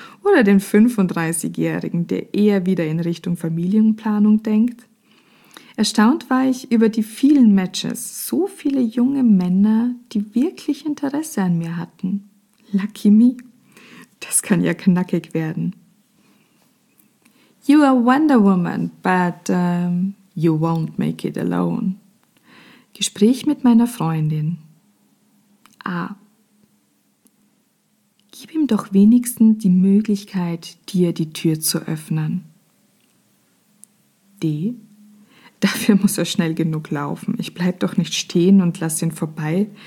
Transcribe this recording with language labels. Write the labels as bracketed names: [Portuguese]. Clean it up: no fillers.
[German] Oder den 35-Jährigen, der eher wieder in Richtung Familienplanung denkt? Erstaunt war ich über die vielen Matches, so viele junge Männer, die wirklich Interesse an mir hatten. [English] Lucky me. [German] Das kann ja knackig werden. [English] You are Wonder Woman, but you won't make it alone. [German] Gespräch mit meiner Freundin. A. Gib ihm doch wenigstens die Möglichkeit, dir die Tür zu öffnen. D. Dafür muss er schnell genug laufen. Ich bleib doch nicht stehen und lass ihn vorbei.